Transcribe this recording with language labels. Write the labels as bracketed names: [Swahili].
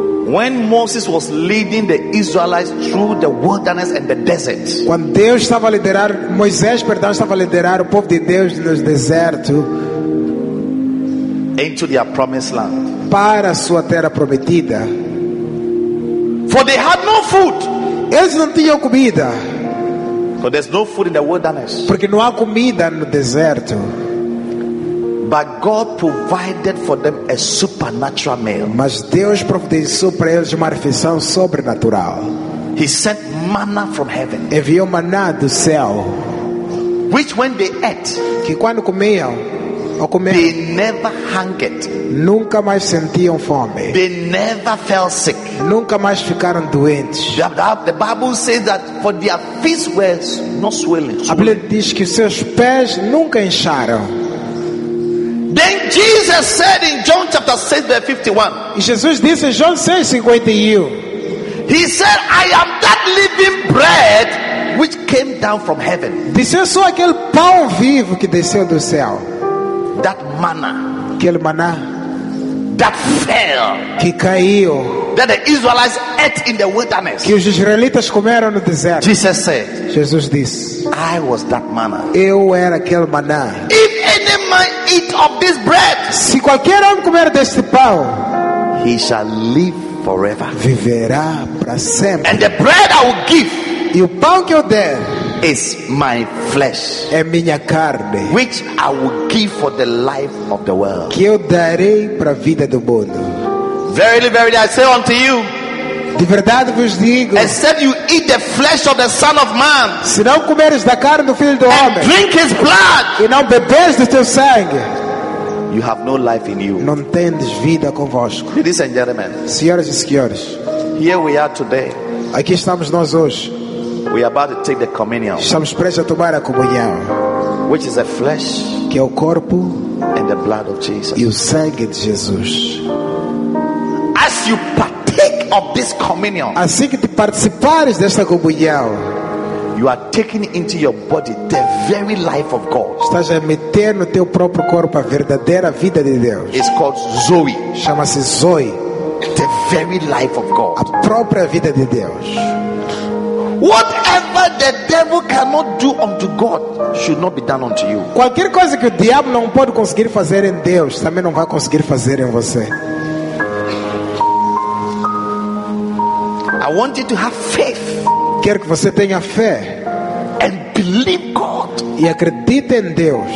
[English] when Moses was leading the Israelites through the wilderness and the desert, [Portuguese] quando Deus estava a liderar Moisés, perdão, estava a liderar o povo de Deus no deserto, [English] into their promised land, [Portuguese] para a sua terra prometida, [English] for they had no food, [Portuguese] eles não tinham comida, [English] for there's no food in the wilderness, [Portuguese] porque não há comida no deserto. [English] But God provided for them a supernatural meal. [Portuguese] Mas Deus providenciou para eles uma refeição sobrenatural. [English] He sent manna from heaven. [Portuguese] Enviou maná do céu. [English] Which when they ate, [Portuguese] que quando comiam, ou comiam, [English] they never hungered. [Portuguese] Nunca mais sentiam fome. [English] They never fell sick. [Portuguese] Nunca mais ficaram doentes. [English] The Bible says that for their feet were not swelling. [Portuguese] A Bíblia diz que seus pés nunca incharam. [English] Then Jesus said in John chapter 6 verse 51. [Portuguese] Jesus disse em João 6:51. [English] He said, "I am that living bread which came down from heaven." [Portuguese] Disse, sou aquele pão vivo que desceu do céu. [English] That manna. [Portuguese] Aquele maná. [English] That fell. [Portuguese] Que caiu. [English] That the Israelites ate in the wilderness. [Portuguese] Que os israelitas comeram no deserto. [English] Jesus said. [Portuguese] Jesus disse, [English] "I was that manna." [Portuguese] Eu era aquele maná. [English] If any man eat of this bread, [Portuguese] se qualquer homem comer deste pão, [English] he shall live forever. [Portuguese] Viverá para sempre. [English] And the bread I will give, [Portuguese] e o pão que eu der, [English] is my flesh, [Portuguese] é minha carne, [English] which I will give for the life of the world, [Portuguese] que eu darei para a vida do mundo. [English] Verily, verily, I say unto you, [Portuguese] de verdade vos digo, [English] except you eat the flesh of the Son of Man, [Portuguese] se não comeres da carne do Filho do [English] and [Portuguese] Homem, [English] drink his blood, [Portuguese] e não beberes do seu sangue, [English] you have no life in you, [Portuguese] não tendes vida convosco. [English] Ladies and gentlemen, [Portuguese] senhoras e senhores, [English] here we are today, [Portuguese] aqui estamos nós hoje, [English] we are about to take the communion, [Portuguese] estamos prestes a tomar a comunhão, [English] which is the flesh, [Portuguese] que é o corpo, [English] and the blood of Jesus, [Portuguese] e o sangue de Jesus. [English] As you partake of this communion, [Portuguese] assim que te participares desta comunhão, [English] you are taking into your body the very life of God. [Portuguese] Estás a meter no teu próprio corpo a verdadeira vida de Deus. [English] It's called Zoe. [Portuguese] Chama-se Zoe. [English] The very life of God. [Portuguese] A própria vida de Deus. [English] Whatever the devil cannot do unto God should not be done unto you. [Portuguese] Qualquer coisa que o diabo não pode conseguir fazer em Deus, também não vai conseguir fazer em você. [English] I want you to have faith. [Portuguese] Quero que você tenha fé. [English] And believe God. [Portuguese] E acredite em Deus.